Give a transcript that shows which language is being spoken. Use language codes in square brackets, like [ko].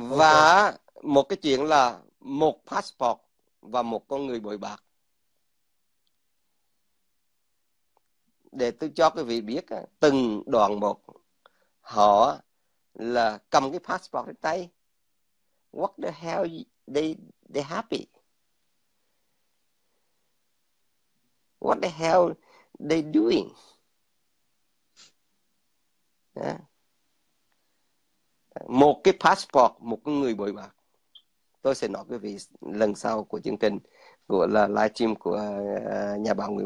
[vi] và một cái chuyện là một passport và một con người bội bạc. Để tôi cho quý vị biết á, từng đoạn một họ là cầm cái passport trên tay. [en] What the hell they happy? What the hell they doing? Yeah. [vi] Một cái passport, một người bội bạc. Tôi sẽ nói quý vị lần sau của chương trình của là livestream của nhà báo Nguyễn